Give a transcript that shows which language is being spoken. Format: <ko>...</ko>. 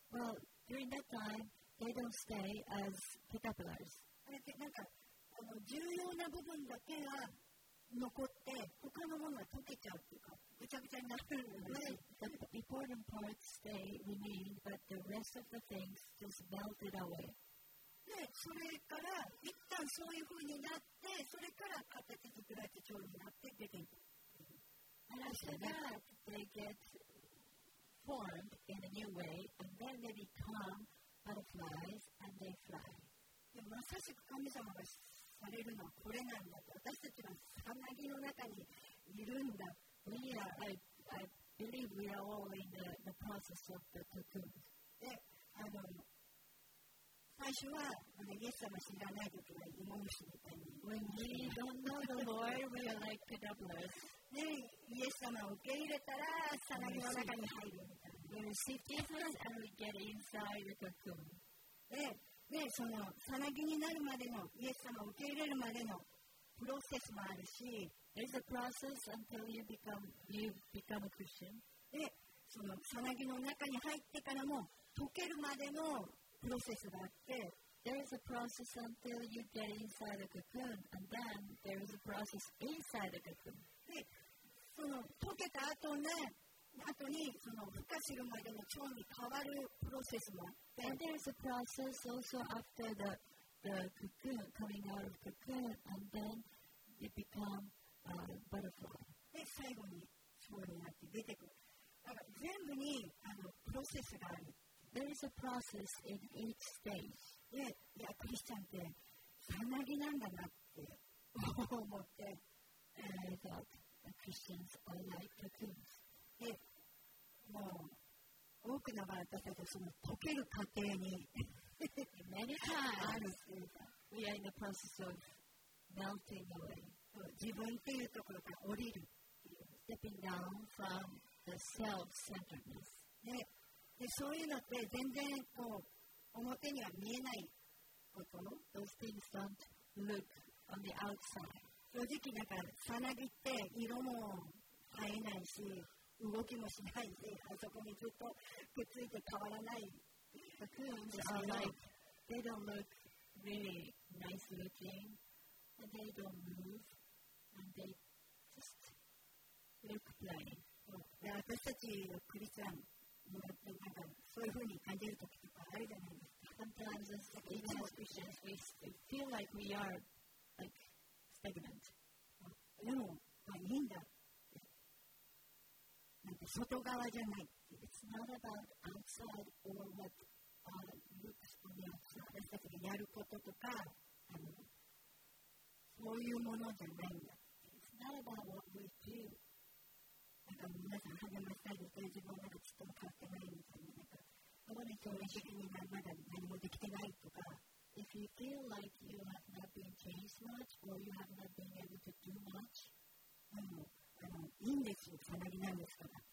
<en>Well, during that time, they don't stay as caterpillars.</en> <ja>なんか、この重要な部分だけが残って、他のものが溶けちゃうっていうか、ぐちゃぐちゃになってるんですね。</ja> <en>The important parts stay remaining, but the rest of the things just melted away.</en> <ja>で、それから一旦そういう風になって、それから形作られて調理になって出ていく。</ja> <en>And after that, they get formed in a new way, and then they become butterflies, and they fly.</en> <ja>で、まさしく神様がされるのはこれなんだと。私たちはさなぎの中にいるんだ。</ja> <en>We are, I believe we are all in the process of the cocoon.</en> <ja>で、最初はイエス様知らないときは芋虫みたいに。</ja> <en>When we don't know the Lord, we are like caterpillars.</en> <ja>で、イエス様を受け入れたら、さなぎの中に入るみたいな。</ja> <en>We receive Jesus and we get inside the cocoon.</en> <ja>で、そのさなぎになるまでの、イエス様を受け入れるまでのプロセスもあるし、</ja> <en>There's a process until you become a Christian.</en> <ja>で、そのさなぎの中に入ってからも、溶けるまでのプロセスがあって、</ja> <en>There is a process until you get inside the cocoon, and then there is a process inside the cocoon.</en> <ja>で、その溶けた後ね、後にその孵化するまでの腸に変わるプロセスもあって、</ja> <en>And there is a process also after the cocoon, coming out of cocoon, and then you become a butterfly.</en> <ja>で、最後に腸になって出てくる。だから全部にプロセスがある。</ja> <en>There is a process in each stage.</en> <ja>Yeah, クリスチャンってさなぎなんだなって思って</ja> <en>And I thought the Christians are like cocoons.</en> <ja>Yeah, もう多くの場合だけどその溶ける過程に</ja> <en>Many times</en> <ja>あるっていうか</ja> <en>We are in the process of melting away.</en> <ja>自分っていうところから降りる</ja> <en>Stepping down from the self-centeredness. Yeah.</en> <ja>でそういうのって全然こう表には見えないこと</ja> <en>Those things don't look on the outside.</en> <ja>正直なんかさなぎって色も映えないし動きもしないしあそこにずっとくっついて変わらない</ja> <en>Cocoons are like they don't look really nice looking and they don't move and they just look plain.</en> <ja>私たちのクリスチャンなんかそういう風に感じるときとかあるじゃないですか。</ja> <en>Sometimes as Christians we feel like we are like stagnant.</en> <ja>でも、まあ、いいんだ。なんか外側じゃない。</ja> <en>It's not about outside or what looks on the outside.</en> <ja>私たちがやることとかそういうものじゃないんだ。</ja> <en>It's not about what we do.</en> <ja>なんか皆さん励ましたいですけど自分はちょっと変わってないみたいな、なんかそこで教育的にはまだ何もできてないとか</ja> <en>If you feel like you have not been changed much or you have not been able to do much</en> <ja>でもいいんですよ、さなぎなんですから</ja>